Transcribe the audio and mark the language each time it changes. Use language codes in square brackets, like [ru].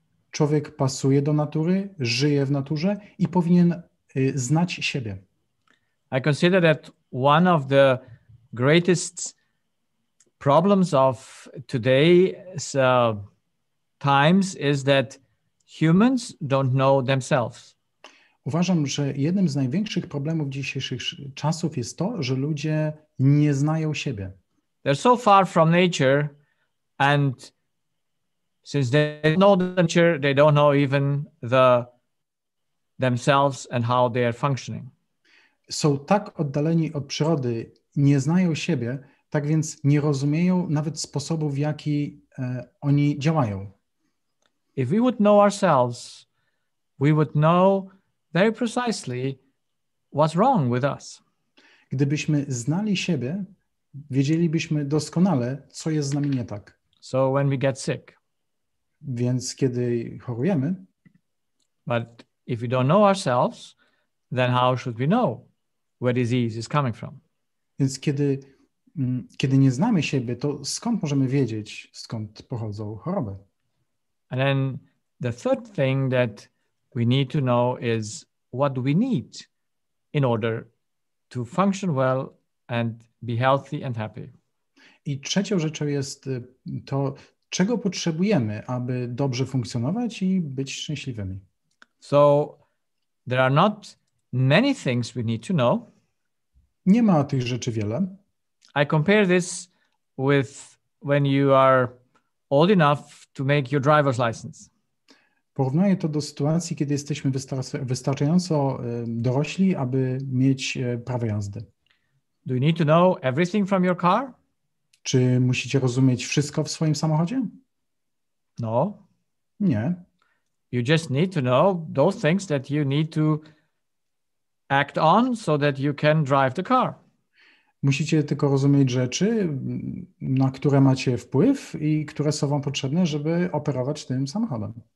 [pl] Człowiek pasuje do natury, żyje w naturze i powinien znać siebie. [en] I consider that one of the greatest problems of today's times is that humans don't know themselves. [pl] Uważam, że jednym z największych problemów dzisiejszych czasów jest to, że ludzie nie znają siebie. [en] They're so far from nature, and since they don't know the nature, they don't know even the themselves and how they are functioning. [pl] Są tak oddaleni od przyrody, nie znają siebie, tak więc nie rozumieją nawet sposobu, w jaki oni działają. [en] If we would know ourselves, we would know very precisely what's wrong with us. [pl] Gdybyśmy znali siebie, wiedzielibyśmy doskonale, co jest z nami nie tak. [en] So when we get sick. [pl] Więc kiedy chorujemy. [en] But if we don't know ourselves, then how should we know where disease is coming from? [pl] Więc kiedy nie znamy siebie, to skąd możemy wiedzieć, skąd pochodzą choroby? [en] And then the third thing that we need to know is what do we need in order to function well and be healthy and happy. [pl] I trzecią rzeczą jest to, czego potrzebujemy, aby dobrze funkcjonować i być szczęśliwymi. [en] So there are not many things we need to know. [pl] Nie ma tych rzeczy wiele. [en] I compare this with when you are old enough to make your driver's license. [pl] Porównuję to do sytuacji, kiedy jesteśmy wystarczająco dorośli, aby mieć prawo jazdy. [en] Do you need to know everything from your car? [pl] Czy musicie rozumieć wszystko w swoim samochodzie? [en] No. [pl] Nie. [en] You just need to know those things that you need to act on so that you can drive the car. [pl] Musicie tylko rozumieć rzeczy, na które macie wpływ i które są wam potrzebne, żeby operować tym samochodem.